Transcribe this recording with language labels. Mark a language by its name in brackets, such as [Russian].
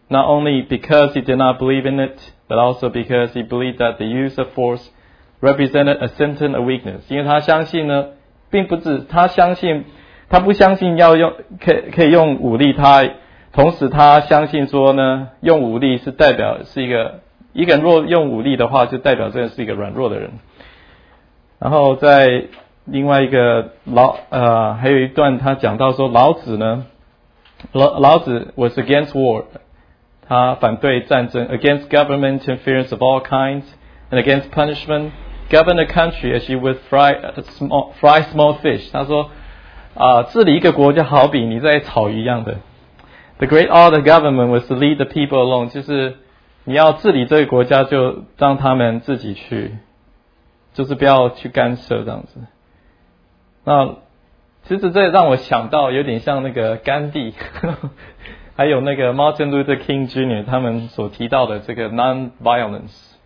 [English] Not only because he did not believe in it， but also because he believed that the use of force represented a symptom of weakness。 [Chinese] 因为他相信呢，并不是他相信，他不相信要用可以用武力，他同时他相信说呢，用武力是代表是一个人若用武力的话，就代表这是一个软弱的人。然后在另外一个还有一段他讲到说，老子呢，老子 [English] was against war， [Chinese] 他反对战争 ， [English] against government interference of all kinds and against punishment。 Govern the country as you would fry small fish. [Chinese] 他说治理一个国家好比你在炒鱼一样的。 [English] The great art of government was to lead the people along. [Chinese] 就是你要治理这个国家就让他们自己去，就是不要去干涉这样子。那其实这让我想到有点像那个甘地还有那个 Martin Luther King Jr. 他们所提到的这个 non-violence。